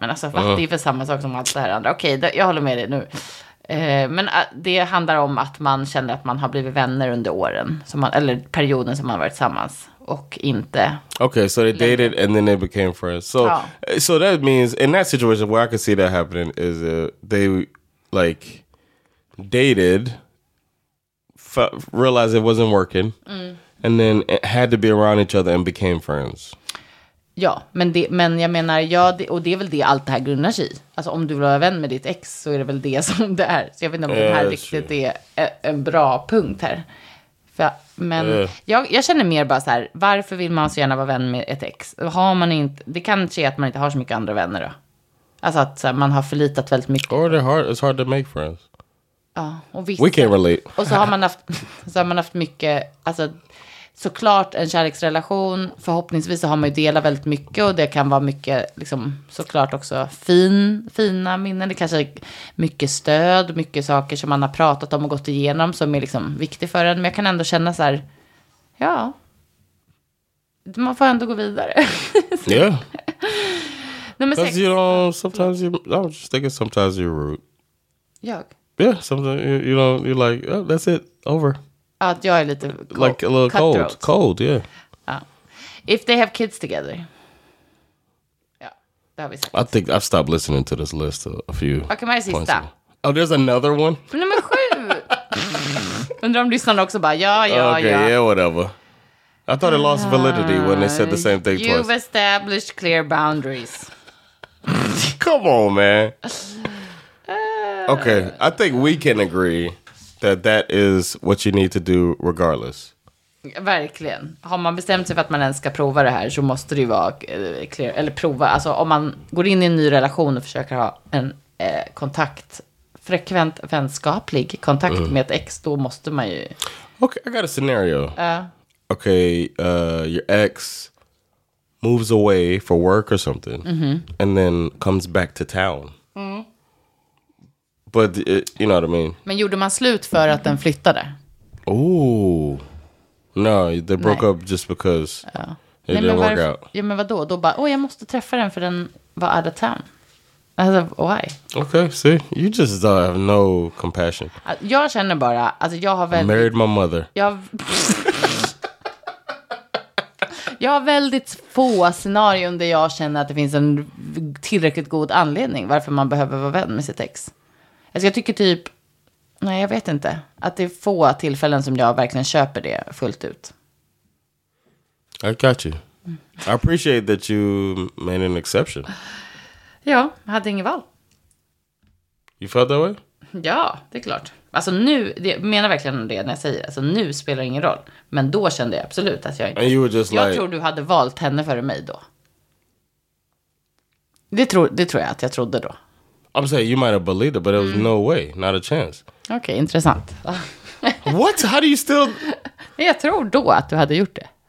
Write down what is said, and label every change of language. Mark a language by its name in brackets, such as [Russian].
[Swedish] Men alltså, det är för samma sak som allt det här andra. Okej, okay, jag håller med dig nu. Men det handlar om att man känner att man har blivit vänner under åren. Eller perioden som man har varit tillsammans. Och inte. [English] Okay, so they dated and then they became friends. So, so that means in that situation where I could see that happening is they like dated, realized it wasn't working, And then it had to be around each other and became friends. [Swedish] Ja, men, det, men jag menar, ja, det, och det är väl det allt det här grundar sig i. Alltså om du vill vara vän med ditt ex så är det väl det som det är. Så jag vet inte om det här riktigt är en bra punkt här. För, men jag känner mer bara så här, varför vill man så gärna vara vän med ett ex? Har man inte, det kan ske att man inte har så mycket andra vänner då. Alltså att så här, man har förlitat väldigt mycket. [English] Or they're hard, it's hard to make friends. [Swedish] Ja, och vissa, [English] we can relate. [Swedish] Och så har man haft mycket, alltså såklart en kärleksrelation, förhoppningsvis så har man ju delat väldigt mycket och det kan vara mycket liksom, såklart också fina minnen, det kanske är mycket stöd, mycket saker som man har pratat om och gått igenom som är liksom viktig för en, men jag kan ändå känna så här, ja, man får ändå gå vidare. Ja. Nummer 6. [English] You know, sometimes I'm just thinking sometimes you're rude. [Swedish] Jag. [English] Yeah, something you know, you're like, oh, that's it, over. [Swedish] Att jag är lite [English] like a little cold. Cold, yeah. If they have kids together. [Swedish] Ja, det har vi sagt. [English] I think I've stopped listening to this list a few. [Swedish] Okej, men sista. [English] Oh, there's another one? [Swedish] Nummer 7. Undrar om lyssnarna också bara, ja. [English] Okay, yeah, whatever. I thought it lost validity when they said the same thing you've twice. You've established clear boundaries. Come on, man. Okay, I think we can agree that that is what you need to do regardless. [Swedish] Verkligen. Har man bestämt sig för att man ens ska prova det här så måste det ju vara clear, eller prova. Alltså om man går in i en ny relation och försöker ha en kontakt, frekvent vänskaplig kontakt med ett ex, då måste man ju... [English] Okay, I got a scenario. Okay, your ex moves away for work or something and then comes back to town. But you know what I mean. Men gjorde man slut för att den flyttade? Oh. No, they broke up just because it didn't work out. [Swedish] Ja, men vadå? Då bara, jag måste träffa den för den var [English] out of town. Alltså, why? Okay, see? You just have no compassion. [Swedish] Jag känner bara, alltså jag har väldigt... [English] I married my mother. [Swedish] Jag har väldigt få scenarion där jag känner att det finns en tillräckligt god anledning varför man behöver vara vän med sitt ex. Alltså jag tycker typ, nej jag vet inte, att det är få tillfällen som jag verkligen köper det fullt ut. [English] I got you. I appreciate that you made an exception. [Swedish] Ja, jag hade ingen val. [English] You felt that way? [Swedish] Ja, det är klart. Alltså nu, det, jag menar verkligen det när jag säger, alltså nu spelar det ingen roll. Men då kände jag absolut att jag inte... [English] And you were just [Swedish] jag [English] like... [Swedish] tror du hade valt henne före mig då. Det tror jag att jag trodde då. [English] I'm saying you might have believed it, but it was no way, not a chance. [Swedish] Okay, intressant. [English] What? How do you still? [Swedish] Jag tror då att du hade gjort det.